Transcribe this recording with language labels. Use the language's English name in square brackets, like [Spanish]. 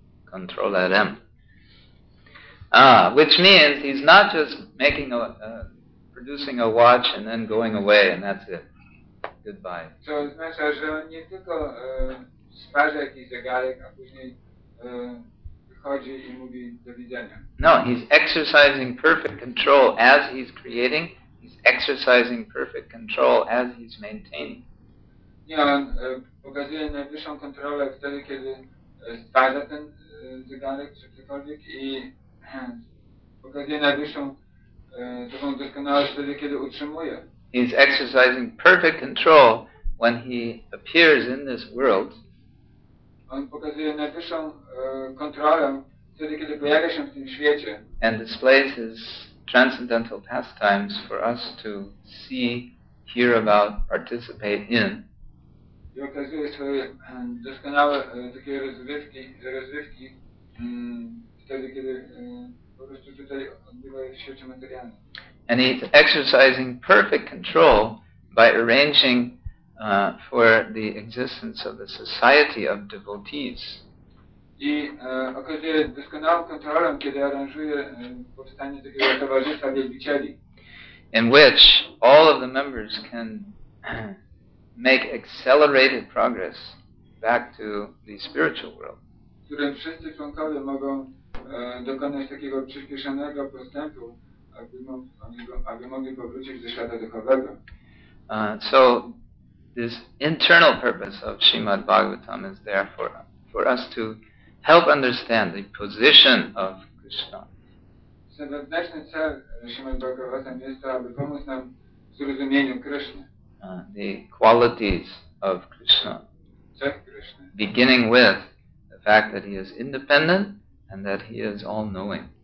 [English] Control Adam. Which means he's not just making producing a watch and then going away and that's it. Goodbye. [Polish] Co oznacza, że on nie tylko sparza jakiś zegarek, a później wychodzi i mówi do widzenia. [English] No, he's exercising perfect control as he's creating. He's exercising perfect control as he's maintaining. [Polish] Nie, on pokazuje najwyższą kontrolę wtedy, kiedy sparza ten zegarek czy cokolwiek i pokazuje najwyższą taką doskonałość wtedy, kiedy utrzymuje. [English] He's exercising perfect control when he appears in this world. [Polish] On pokazuje najwyższą kontrolę wtedy, kiedy pojawia się w tym świecie. [English] And displays his transcendental pastimes for us to see, hear about, participate in. [Polish] I okazuje swoje doskonałe takie rozrywki wtedy, kiedy po prostu tutaj odbywa się w świecie materialnym. [English] And he's exercising perfect control by arranging for the existence of a society of devotees. [Polish] I okazuje doskonałą kontrolę, kiedy aranżuje powstanie takiego towarzystwa wielbicieli. [English] In which all of the members can make accelerated progress back to the spiritual world. [Polish] W którym wszyscy członkowie mogą dokonać takiego przyspieszonego postępu, aby mogli powrócić do świata duchowego. [English] So this internal purpose of Srimad Bhagavatam is there for us to help understand the position of Krishna. [Polish] Wewnętrzny cel Srimad Bhagavatam jest to, aby pomóc nam w zrozumieniu Krishna. [English] The qualities of Krishna. [Polish] Cech Krishna. [English] Beginning with the fact that he is independent and that he is all-knowing.